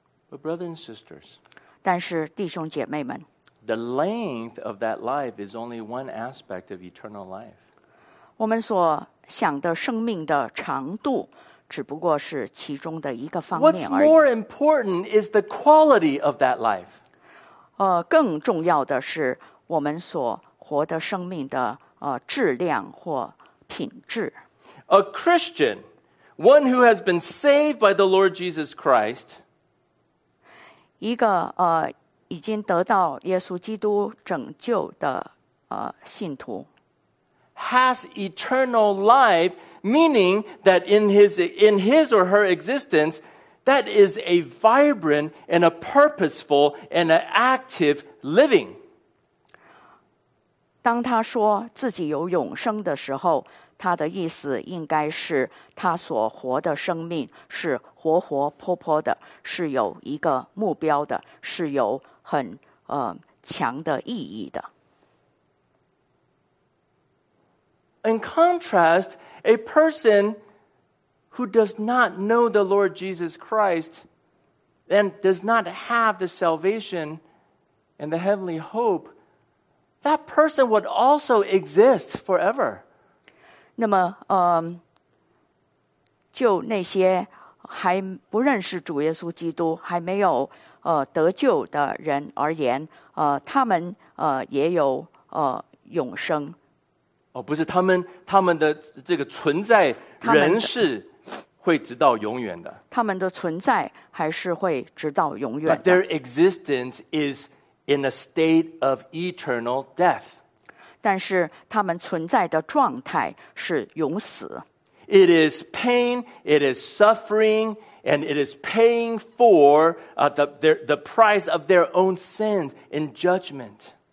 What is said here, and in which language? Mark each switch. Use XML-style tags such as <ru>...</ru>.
<en>But brothers and sisters,</en> <zh>但是弟兄姐妹们。</zh> <en>The length of that life is only one aspect of eternal life.</en> <zh>我们所想的生命的长度只不过是其中的一个方面而已。</zh> <en>What's more important is the quality of that life.</en> <zh>更重要的是我们所活的生命的质量或品质。</zh> <en>A Christian, one who has been saved by the Lord Jesus Christ,</en> <zh>一个已经得到耶稣基督拯救的信徒</zh> <en>has eternal life, meaning that in his or her existence, that is a vibrant and a purposeful and an active living.</en> <zh>当他说自己有永生的时候，他的意思应该是他所活的生命是活活泼泼的，是有一个目标的，是有很强的意义的。</zh> <en>In contrast, a person who does not know the Lord Jesus Christ and does not have the salvation and the heavenly hope, that person would also exist forever.</en> <zh>那么就那些还不认识主耶稣基督，还没有得救的人而言，他们也有永生。哦，不是，他们的这个存在人是会直到永远的。他们的存在还是会直到永远的。</zh> <en>But their existence is in a state of eternal death.</en> <zh>但是他们存在的状态是永死。</zh> <en>It is pain. It is suffering. And it is paying for the price of their own sins in judgment.</en>